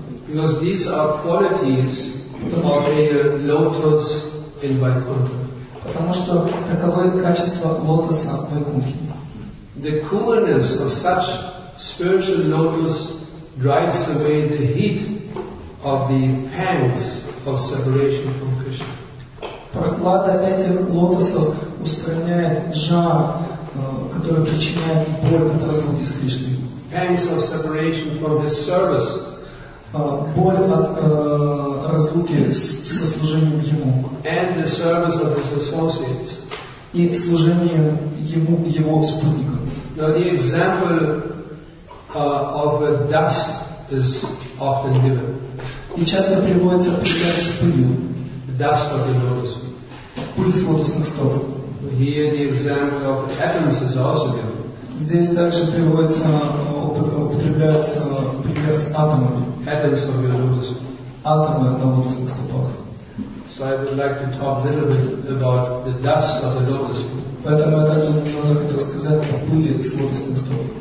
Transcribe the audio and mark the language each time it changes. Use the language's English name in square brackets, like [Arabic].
[English] Because these are qualities of a lotus in Vaikuntha. [Russian] Потому что таковы качества лотоса в Вайкунтхе. [English] The coolness of such spiritual lotus drives away the heat of the pangs of separation from Krishna. [Russian] Прохлада этих лотосов устраняет жар, который причиняет боль от разлуки с Кришной. [English] Pangs of separation from His service. [Russian] Боль от разлуки со служением Ему. [English] And the service of His associates. [Russian] И служение Ему, Его спутникам. [English] Now the example of a dust is often given. [Russian] И часто приводится пример с пылью. [English] The dust of the lotus feet. [Russian] Пыль с лотосных стоп. [English] Here the example of atoms is also given. [Russian] Здесь также приводится, употребляется пример с атомами. [English] Atoms of your lotus feet. [Russian] Атомы на лотосных стопах. [English] So I would like to talk a little bit about the dust of the lotus feet. [Russian] Поэтому я также немного хотел сказать о пыли с лотосных стоп.